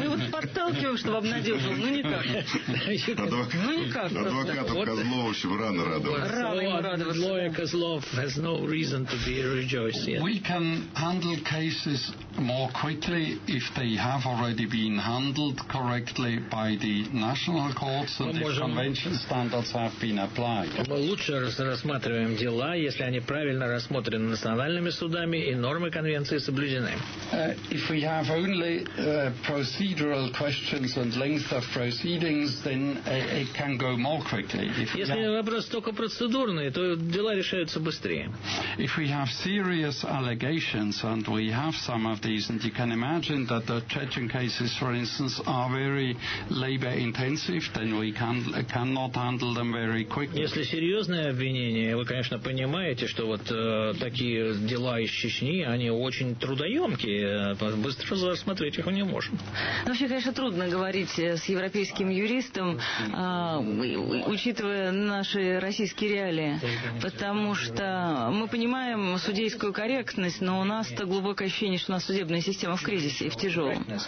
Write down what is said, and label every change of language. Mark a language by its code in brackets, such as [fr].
[ru] Мы вот подталкиваем, чтобы обнадеживал, но никак. Ну никак. Адвокатов Козлов, в общем, рано радоваться. [en] Lawyer Козлов has no reason to be rejoicing. We can handle cases more quickly if they have already been handled correctly by the national courts and if convention standards have been applied. [ru] Мы лучше рассматриваем дела, если они правильно рассмотрены национальными судами и нормы конвенции соблюдены. [en] If we have only procedural questions and length of proceedings, then it can go more quickly. [ru] Если вопрос только процедурный, то дела решаются быстрее. [en] If we have serious allegations, and we have some of these, and you can imagine that the Chechen cases, for instance, are very labor-intensive, then we cannot handle them very quickly. [ru] Если серьезные обвинения, вы, конечно, понимаете, что вот такие дела из Чечни, они очень трудоемкие. Быстро рассмотреть их не можем. Вообще, конечно, трудно говорить с европейским юристом, учитывая наши российские реалии, потому что мы понимаем судейскую корректность, но у нас-то глубокое ощущение, что у нас судебная система в кризисе и в тяжелом.